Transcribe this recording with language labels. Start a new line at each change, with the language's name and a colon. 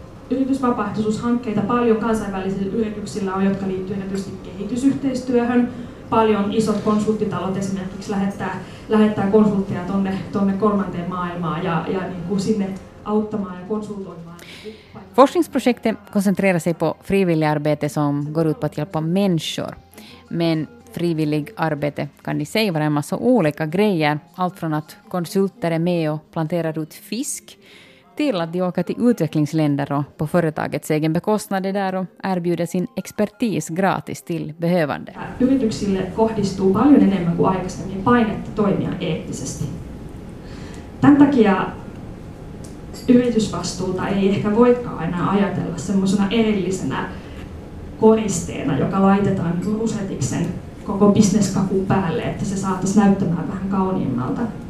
Finnish: Yritysvapaaehtoisuushankkeita paljon kansainvälisillä yrityksillä on, jotka liittyy erityisesti kehitysyhteistyöhön. Paljon isot konsulttitalot esimerkiksi lähettää konsultteja tuonne kolmanteen maailmaan ja niin kuin sinne auttamaan ja konsultoimaan.
Swedish: Forskningsprojektet koncentrerar sig på frivillig arbete som går ut på att hjälpa människor. Men frivillig arbete kan i sig vara en massa olika grejer. Allt från att konsulter är med och planterar ut fisk till att de åker till utvecklingsländer och på företagets egen bekostnad där och erbjuder sin expertis gratis till behövande.
Finnish: Yrityksille kohdistuu paljon enemmän kuin aikaisemmin painetta toimia eettisesti. Tämän takia yritysvastuuta ei ehkä voikaan aina ajatella semmoisena erillisenä koristeena, joka laitetaan rusetiksen koko bisneskakun päälle, että se saataisiin näyttämään vähän kauniimmalta.